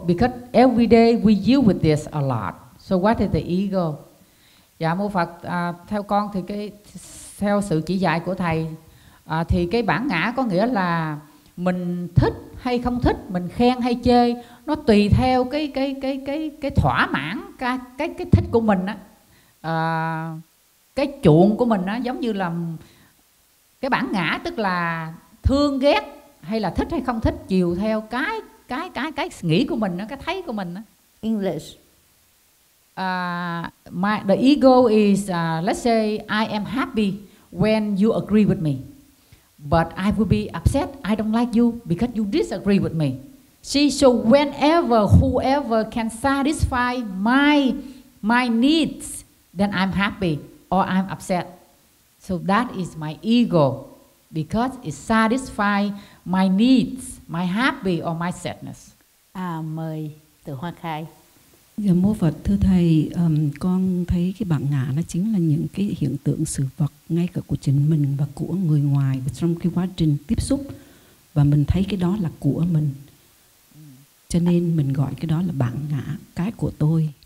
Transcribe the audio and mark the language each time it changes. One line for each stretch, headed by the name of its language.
English: Because every day we deal with this a lot. So what is the ego?
Vietnamese: Dạ mô Phật, theo con thì cái theo sự chỉ dạy của thầy thì cái bản ngã có nghĩa là mình thích hay không thích, mình khen hay chê, nó tùy theo cái thỏa mãn cái thích của mình á. Cái chuộng của mình á, giống như là cái bản ngã, tức là thương ghét hay là thích hay không thích, chiều theo cái nghĩ của mình, cái thấy của mình.
English: English. The ego is, let's say, I am happy when you agree with me. But I will be upset. I don't like you because you disagree with me. See, so whenever, whoever can satisfy my needs, then I'm happy or I'm upset. So that is my ego because it satisfies my needs, my happy or my sadness.
Vietnamese: À, mời Từ Hoa Khai. Yeah, mô Phật, thưa Thầy, con thấy cái bản ngã nó chính là những cái hiện tượng sự vật ngay cả của chính mình và của người ngoài trong cái quá trình tiếp xúc. Và mình thấy cái đó là của mình. Cho nên mình gọi cái đó là bản ngã, cái của tôi.